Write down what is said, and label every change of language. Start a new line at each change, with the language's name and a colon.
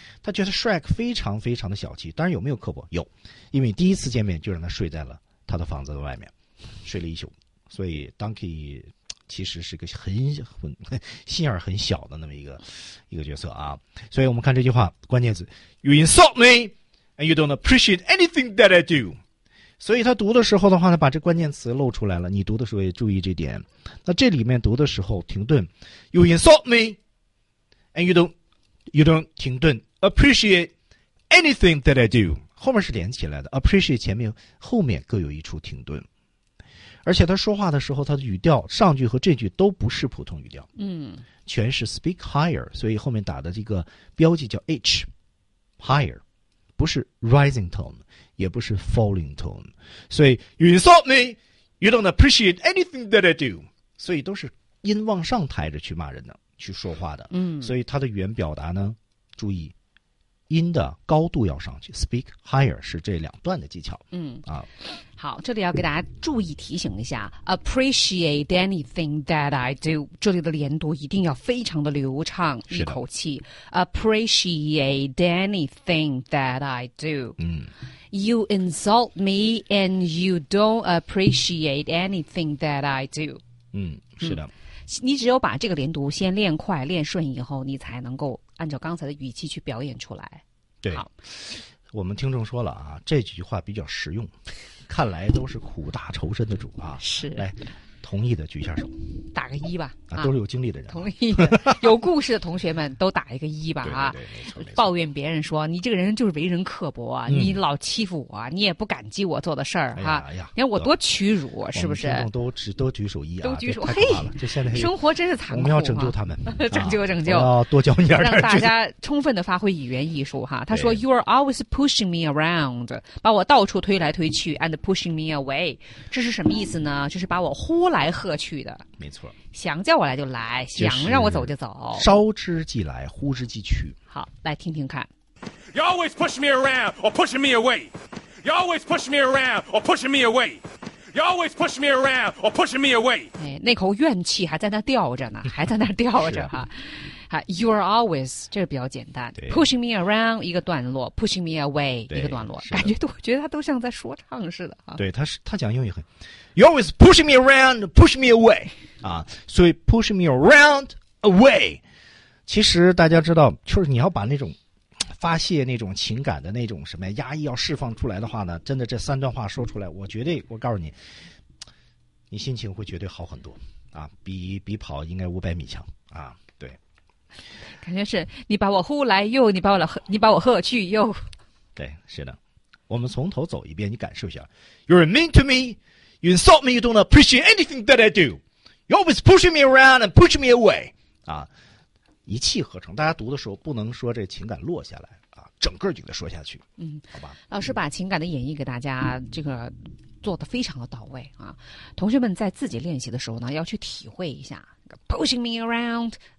Chinese: 他觉得 Shrek 非常非常的小气。当然有没有刻薄？有，因为第一次见面就让他睡在了他的房子的外面，睡了一宿。所以 Donkey 其实是个很心眼很小的那么一个角色啊。所以我们看这句话关键词。
English: You insult me, and you don't appreciate anything that I do.
Chinese: 所以他读的时候的话呢，把这关键词露出来了。你读的时候也注意这点。那这里面读的时候停顿。
English: You insult me, and you don't
Chinese: 停顿
English: appreciate anything that I do.
Chinese: 后面是连起来的 ，appreciate 前面后面各有一处停顿。而且他说话的时候，他的语调上句和这句都不是普通语调，全是
English: speak higher,
Chinese: 所以后面打的这个标记叫 H。
English: Higher,
Chinese: 不是
English: rising tone,
Chinese: 也不是
English: falling tone. 所以 you insult me, you don't appreciate anything that I do.
Chinese: 所以都是音往上抬着去骂人的，去说话的。所以他的语言表达呢，注意，音的高度要上去 ，
English: speak higher
Chinese: 是这两段的技巧。好，这里要给大家注意提醒一下 ，
English: appreciate anything that I do，
Chinese: 这里的连读一定要非常的流畅，一口气 ，appreciate anything that I do。
English: You insult me and you don't appreciate anything that I do。
Chinese: 是的。你只有把这个连读先练快练顺以后，你才能够按照刚才的语气去表演出来。对，好，我们听众说了啊，这句话比较实用，看来都是苦大仇深的主啊。是，来，同意的举下手，打个一吧。啊，都是有经历的人，同意的有故事的同学们都打一个一吧。啊，对对对，没错，抱怨别人说你这个人就是为人刻薄啊，嗯，你老欺负我，你也不感激我做的事儿，哎，啊，你看我多屈辱，是不是？都举手一啊，都举手，太可怕了，这现在生活真是残酷，我们要拯救他们，啊，拯救拯救，啊，多教你点儿，让大家充分的发挥语言艺术哈。他说 ，
English: You are always pushing me around，
Chinese: 把我到处推来推去 ，
English: and pushing me away，
Chinese: 这是什么意思呢？就是把我呼来喝去的，没错，想叫我来就来，就是，想让我走就走，烧之即来，呼之即去。好，来听听看。
English: You always push me around or pushing me away. You always push me around or pushing me away. You always push me around or pushing me away.
Chinese: 哎，那口怨气还在那吊着呢，还在那吊着哈。
English: You are always，
Chinese: 这是比较简单。
English: Pushing me around
Chinese: 一个段落 ，
English: pushing me away
Chinese: 一个段落，感觉都我觉得他都像在说唱似的啊。对，他讲英语很 ，
English: You always pushing me around, pushing me away
Chinese: 啊，所以
English: pushing me around away，
Chinese: 其实大家知道，就是你要把那种发泄那种情感的那种什么压抑要释放出来的话呢，真的这三段话说出来，我绝对我告诉你，你心情会绝对好很多啊，比跑应该500米强啊。感觉是你把我呼来又你把我你把我喝去又，对，是的，我们从头走一遍，你感受一下。
English: You're mean to me, you insult me, you don't appreciate anything that I do. You always pushing me around and pushing me away.
Chinese: 啊，一气呵成，大家读的时候不能说这情感落下来啊，整个就得说下去。嗯，好吧。老师把情感的演绎给大家，这个做得非常的到位啊。同学们在自己练习的时候呢，要去体会一下
English: pushing me around。